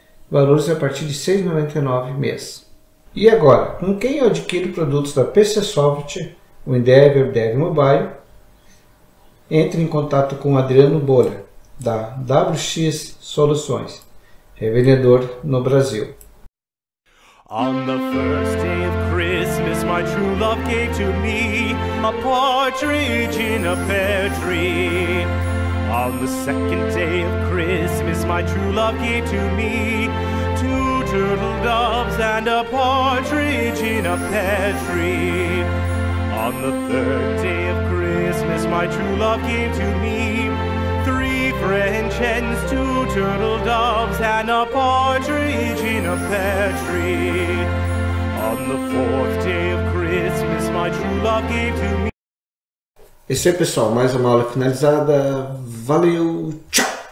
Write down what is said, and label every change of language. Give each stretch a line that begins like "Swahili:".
Portuguese: Valores a partir de R$ 6,99 mês. E agora, com quem eu adquiro produtos da PC Soft, o InDev e o InDev Mobile? Entre em contato com Adriano Bolha, da WX Soluções. Revendedor no Brasil.
English: On the first day of Christmas, my true love gave to me a partridge in a pear tree. On the second day of Christmas, my true love gave to me two turtle doves and a partridge in a pear tree. On the third day of Christmas, my true love gave to me French hens, two turtle doves, and a partridge in a pear tree. On the fourth day of Christmas, my true love gave to me.
Portuguese: Isso aí, pessoal. Mais uma aula finalizada. Valeu. Tchau.